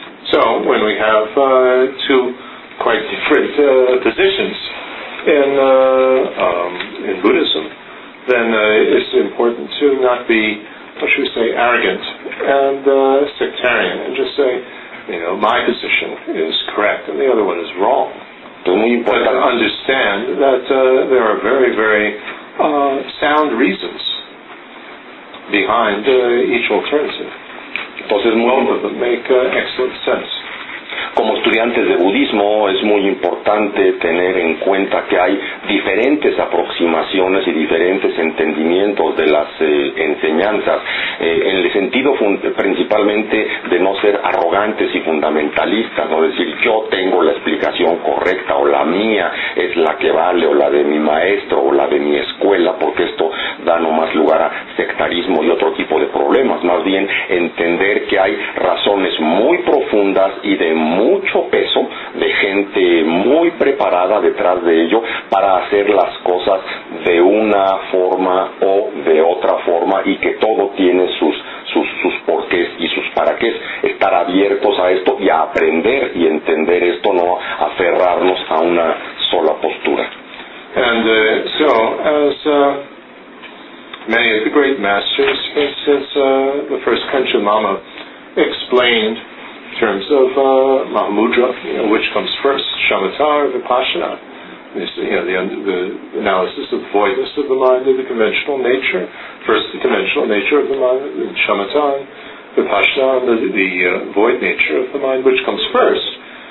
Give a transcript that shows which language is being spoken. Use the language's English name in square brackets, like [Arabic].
[English] So when we have two quite different positions in Buddhism, then it's important to not be, what should we say, arrogant and sectarian, and just say, you know, my position is correct and the other one is wrong. But to understand that there are very, very sound reasons behind each alternative. [Spanish] Entonces, [English] both of them make excellent sense. [Spanish] Como estudiantes de budismo, es muy importante tener en cuenta que hay diferentes aproximaciones y diferentes entendimientos de las enseñanzas, en el sentido principalmente de no ser arrogantes y fundamentalistas, no decir yo tengo la explicación correcta o la mía es la que vale o la de mi maestro o la de mi escuela, porque esto da nomás lugar a sectarismo y otro tipo de problemas. Más bien entender que hay razones muy profundas y de mucho peso de gente muy preparada detrás de ello para hacer las cosas de una forma o de otra forma, y que todo tiene sus porqués y sus paraqués. Estar abiertos a esto y a aprender y entender esto, no aferrarnos a una sola postura. [English] And so as many of the great masters, since the first country mama explained in terms of Mahamudra, you know, which comes first, Shamatha or Vipassana, the analysis of the voidness of the mind and the conventional nature, first the conventional nature of the mind, then Shamatha, Vipassana, the void nature of the mind, which comes first.